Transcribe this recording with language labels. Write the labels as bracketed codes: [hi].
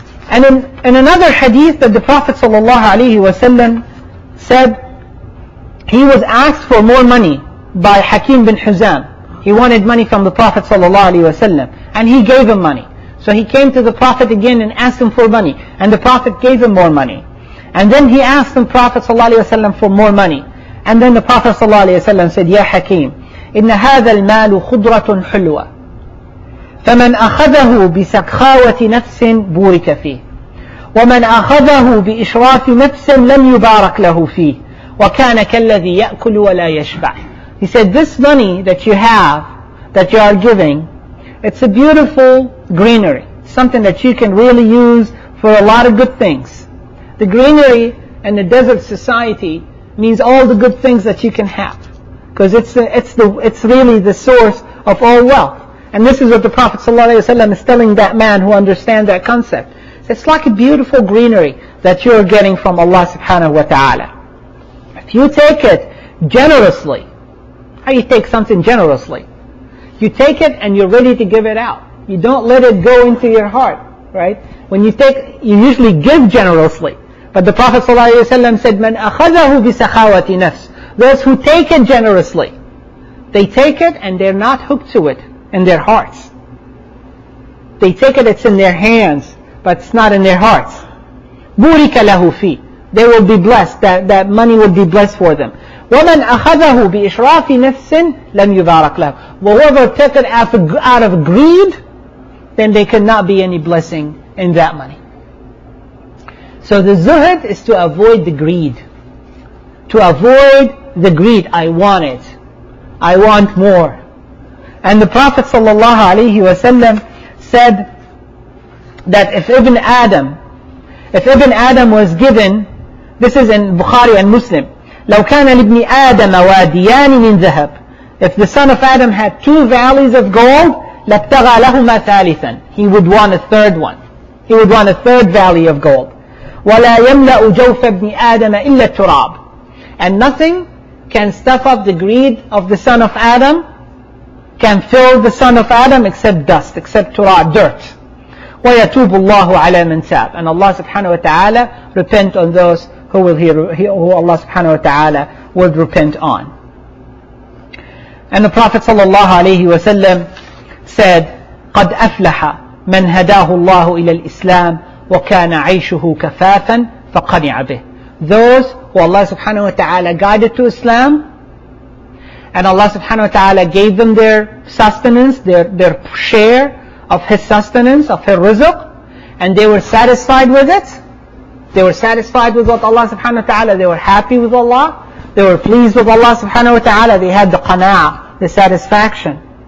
[en] And in another hadith that the Prophet sallallahu alayhi wa sallam said, he was asked for more money by Hakim bin Huzam. He wanted money from the Prophet sallallahu alayhi wa sallam, and he gave him money. So he came to the Prophet again and asked him for money, and the Prophet gave him more money. And then he asked the Prophet sallallahu alayhi wa sallam for more money, and then the Prophet sallallahu alayhi wa sallam said, Ya Hakim, [ar] إن هذا المال خضرة حلوة فمن أخذه بسخاوة نفس بورك فيه ومن أخذه بإشراف نفس لم يبارك له فيه وكان كالذي يأكل ولا يشبع. [en] He said, this money that you have, that you are giving, it's a beautiful greenery, something that you can really use for a lot of good things. The greenery in the desert society means all the good things that you can have, because it's really the source of all wealth. And this is what the Prophet ﷺ is telling that man who understands that concept. It's like a beautiful greenery that you're getting from Allah subhanahu wa ta'ala. If you take it generously, how you take something generously? You take it and you're ready to give it out. You don't let it go into your heart, right? When you take, you usually give generously. But the Prophet ﷺ said, [ar] مَنْ أَخَذَهُ بِسَخَاوَةِ نَفْسِ. [en] Those who take it generously, they take it and they're not hooked to it in their hearts. They take it, it's in their hands, but it's not in their hearts. [ar] بورك له فيه. [en] They will be blessed. That money will be blessed for them. [ar] ومن أخذه بإشراف نفس لم يبارك له. [en] Whoever took it out of greed, then there cannot be any blessing in that money. So the zuhd is to avoid the greed. To avoid the greed. I want it. I want more. And the Prophet sallallahu alaihi wasallam said that if Ibn Adam was given, this is in Bukhari and Muslim, [ar] لو كان لابن آدم واديان من ذهب, [en] if the son of Adam had two valleys of gold, [ar] لابتغى لهما ثالثا, [en] he would want a third one. He would want a third valley of gold. [ar] ولا يملأ جوف ابن آدم إلا التراب. [en] And nothing can stuff up the greed of the son of Adam, can fill the son of Adam except dust, except turab, dirt. [ar] ويتوب الله على من تاب. [en] And Allah subhanahu wa ta'ala repent on those who Allah subhanahu wa ta'ala would repent on. And the Prophet sallallahu alayhi wa sallam said, [ar] قد أفلح من هداه الله إلى الإسلام وكان عيشه كفافا فقنع به. [en] Those who Allah subhanahu wa ta'ala guided to Islam, and Allah subhanahu wa ta'ala gave them their sustenance, their share of His sustenance, of His rizq, and they were satisfied with it. They were satisfied with what Allah subhanahu wa ta'ala, they were happy with Allah, they were pleased with Allah subhanahu wa ta'ala, they had the qana'ah, the satisfaction.